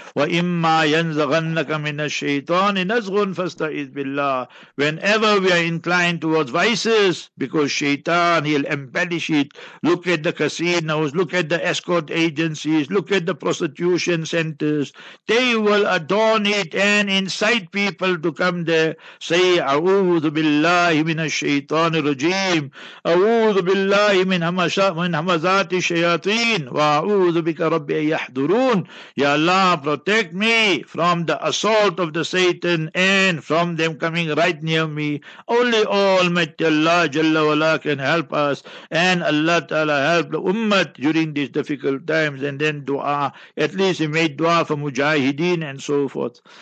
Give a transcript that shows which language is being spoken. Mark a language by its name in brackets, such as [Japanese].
[Arabic] وَإِمَّا يَنْزَغَنَّكَ مِنَ الشَّيْطَانِ نَزْغٌ فَاسْتَعِذْ بِاللَّهِ. [English] Whenever we are inclined towards vices, because Shaitan, he'll embellish it. Look at the casinos, look at the escort agencies, look at the prostitution centers. They will adorn it and incite people to come there. [Arabic] Say, أَعُوذُ بِاللَّهِ مِنَ الشيطان الرجيم أعوذ بالله من همزات الشياطين وأعوذ بك رب يحضرون. [English] Ya Allah, protect me from the assault of the Satan and from them coming right near me. Only Almighty Allah Jalla Wala can help us, and Allah Ta'ala help the Ummat during these difficult times. And then dua, at least he made dua for Mujahideen and so forth.